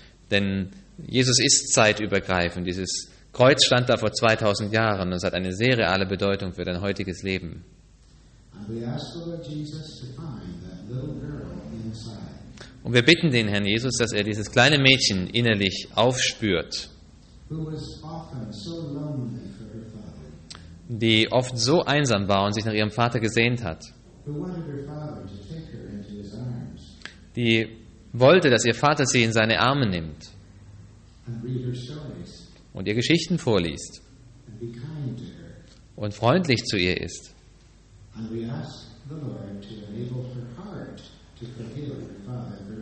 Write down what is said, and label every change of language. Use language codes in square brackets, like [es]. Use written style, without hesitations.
[de] Denn Jesus ist zeitübergreifend. Dieses Kreuz stand da vor 2000 Jahren und es hat eine sehr reale Bedeutung für dein heutiges Leben. Und wir bitten den Herrn Jesus, dass er dieses kleine Mädchen innerlich aufspürt. [en] who was often so lonely for her father, [de] die oft so einsam war und sich nach ihrem Vater gesehnt hat, [en] who wanted her father to take her into his arms, [de] die wollte, dass ihr Vater sie in seine Arme nimmt [en] and read her stories, [de] und ihr Geschichten vorliest [en] and be kind to her, [de] und freundlich zu ihr ist. Und wir bitten den Herrn, dass er ihr Herz verheilt,